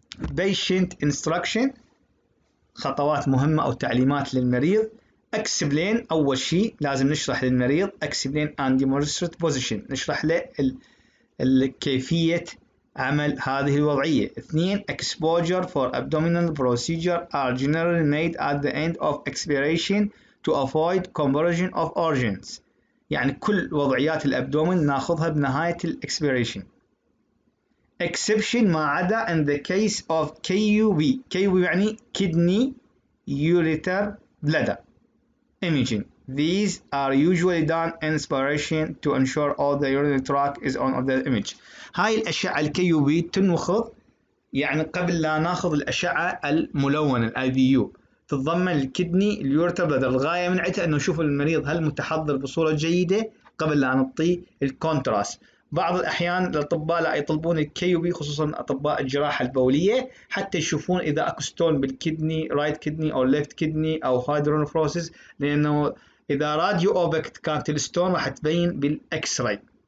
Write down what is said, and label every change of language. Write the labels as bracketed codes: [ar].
[ar] بيشنت انستراكشن، خطوات مهمة أو تعليمات للمريض. explain أول شيء لازم نشرح للمريض [en] explain and demonstrate position، [ar] نشرح له كيفية عمل هذه الوضعية. [en] اثنين exposure for abdominal procedure are generally made at the end of expiration to avoid conversion of organs، [ar] يعني كل وضعيات الأبدومين ناخذها بنهاية الاكسبيريشن. [en] Exception [ar] ما عدا [en] in the case of KUB. KUB يعني kidney ureter bladder imaging. These are usually done in inspiration to ensure all the urinary tract is on the image. [ar] هاي الأشعة الـ KUB تنوخذ يعني قبل لا ناخذ الأشعة الملونة الـ IVU. تتضمن الـ [en] kidney ureter bladder، [ar] الغاية من عدة أنه نشوف المريض هل متحضر بصورة جيدة قبل لا نعطيه الكونتراست. بعض الاحيان الاطباء لا يطلبون الكي يو بي، خصوصا اطباء الجراحه البوليه، حتى يشوفون اذا اكو ستون بالكدني، رايت كدني او ليفت كدني او هايدرونفروسس، لانه اذا راديو اوبكت كانت الستون راح تبين بالاكس راي.